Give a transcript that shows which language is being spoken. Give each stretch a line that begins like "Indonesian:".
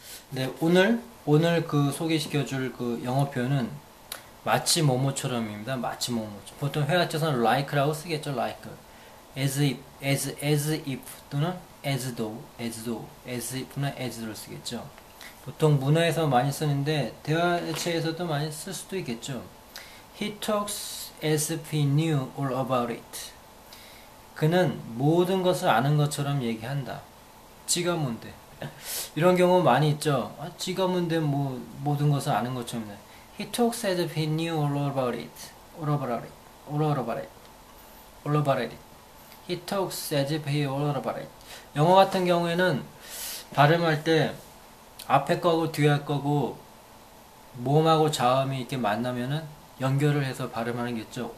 Korean: 네, 오늘 그 소개시켜 줄그 영어 표현은 마치 뭐뭐처럼입니다. 마치 뭐뭐. 보통 회화에서는 like라고 쓰겠죠. like. as if 또는 as though나 as로 쓰겠죠. 보통 문화에서 많이 쓰는데 대화체에서도 많이 쓸 수도 있겠죠.
English: He talks as if he knew all about it.
Korean: 그는 모든 것을 아는 것처럼 얘기한다. 지가 뭔데? 이런 경우 많이 있죠. 아, 지가 뭔데 뭐 모든 것을 아는 것처럼.
English: He talks as if he knew all about it. He talks as if he all about it.
Korean: 영어 같은 경우에는 발음할 때 앞에 거고 뒤에 거고 모음하고 자음이 이렇게 만나면은 연결을 해서 발음하는 게 있죠.